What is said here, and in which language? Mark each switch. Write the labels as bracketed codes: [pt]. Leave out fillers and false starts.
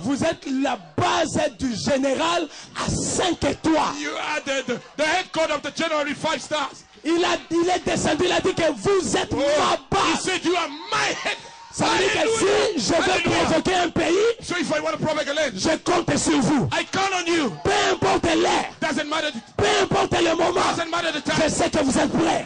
[fr] Vous êtes la base du général à 5 étoiles. [en] You are the headquarters of the general with 5 stars. [fr] Il est descendu, il a dit que vous êtes oh, ma base. [en] He said, you are my head. [fr] Ça veut dire que si je veux provoquer un pays, [en] so if I want to provoke a land, [fr] je compte sur vous. [en] I count on you. [fr] Peu importe l'air, [en] doesn't matter the, [fr] peu importe le moment, [en] doesn't matter the time, [fr] je sais que vous êtes prêts.